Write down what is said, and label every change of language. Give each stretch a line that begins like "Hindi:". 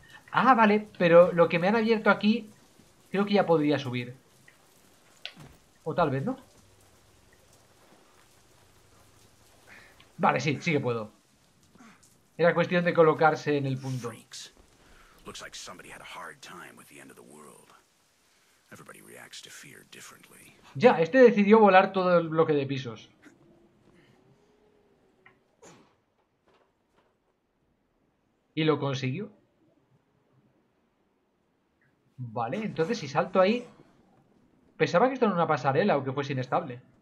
Spanish: Ah, vale, pero lo que me han abierto aquí, creo que ya podría subir. O tal vez, ¿no? Vale, sí, sí que puedo. Era cuestión de colocarse en el punto.
English: Looks like somebody had a hard time with the end of the world. Everybody reacts to fear differently.
Spanish: Ya, este decidió volar todo el bloque de pisos. ¿Y lo consiguió? Vale, entonces si salto ahí... Pensaba que esto era una pasarela o que fuese inestable.